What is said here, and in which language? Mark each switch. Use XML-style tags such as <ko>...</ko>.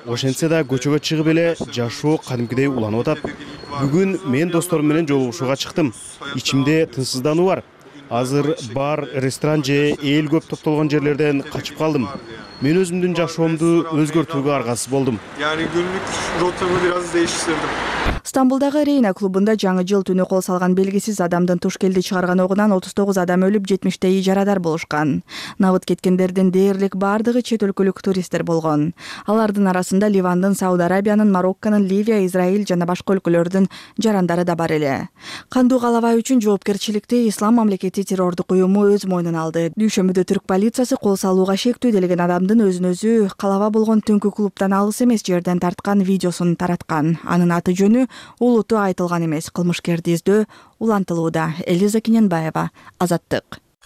<ky>Ошентсе да көчөгө чыгып эле жашоо кадимкидей уланып атат. Бүгүн мен досторум менен жолугушууга чыктым. Ичимде тынчсыздануу бар. Азыр бар, ресторан же эл көп топтолгон жерлерден качып калдым. Мен өзүмдүн жашоомду өзгөртүүгө аргасыз болдум.</ky> <tr>Yani günlük rotamı biraz değiştirdim.</tr> <ky>Стамбулдагы Рейна клубунда жаңы жыл түнү кол салган белгисиз адамдын туш келди чыгарган огунан 39 адам өлүп, 70-тей жарадар болушкан. Набыт кеткендердин дээрлик баардыгы чет өлкөлүк туристтер болгон. Алардын арасында Ливандын, Сауд Арабиянын, Марокконун, Ливия, Израиль жана башка өлкөлөрдүн жарандары да бар эле. Кандуу Калабай үчүн жоопкерчиликти Ислам мамлекети террордук уюму өз мойнуна алды. Дүйшөмбүдө түрк полициясы кол салууга шектүү делген адамдын өзүн өзү Калаба болгон түнкү клубтан алыс эмес жерден тарткан видеосун тараткан. Анын аты жөнү улуту айтылган эмес. Кылмышкерди издөө улантылууда. Элиза Кененбаева, Азаттык.</ky>